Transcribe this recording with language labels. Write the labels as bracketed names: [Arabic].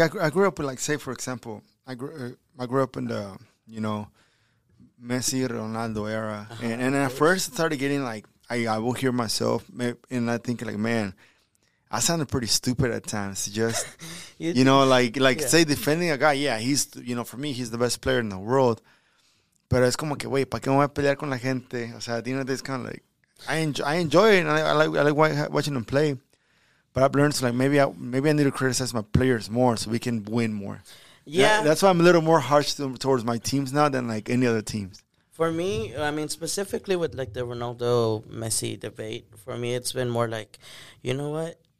[English] I grew up with, like, say, for example, I grew up in the, you know, Messi, Ronaldo era. And at first, I started getting, like, I will hear myself, and I think, like, man, I sounded pretty stupid at times. Just, you know, like say, defending a guy, he's, you know, for me, he's the best player in the world. [Spanish] Pero es como que, wey, ¿para qué me voy a pelear con la gente? O sea, [English] you know, it's kind of like, I enjoy it, and I like watching them play. But I've learned, so like, maybe I need to criticize my players more so we can win more. Yeah. That's why I'm a little more harsh towards my teams now than, like, any other teams. For me, I mean, specifically with, like, the Ronaldo-Messi debate, for me, it's been more like, you know what?